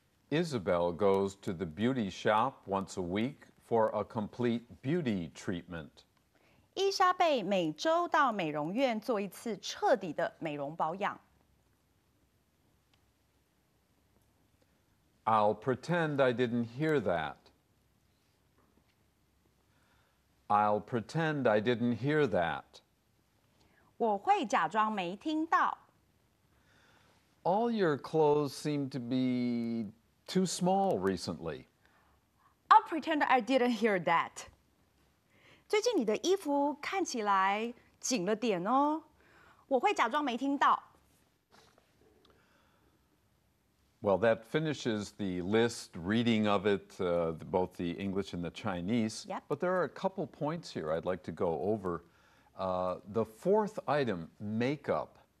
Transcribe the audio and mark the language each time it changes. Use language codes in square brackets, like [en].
[en] Isabel goes to the beauty shop once a week for a complete beauty treatment. [zh] 伊莎贝每周到美容院做一次彻底的美容保养。 [en] I'll pretend I didn't hear that. I'll pretend I didn't hear that. [zh] 我会假装没听到。 [en] All your clothes seem to be too small recently. I'll pretend I didn't hear that. [zh] 最近你的衣服看起来紧了点哦。我会假装没听到。 [en] Well, that finishes the list reading of it, both the English and the Chinese. Yep. But there are a couple points here I'd like to go over. The fourth item, makeup.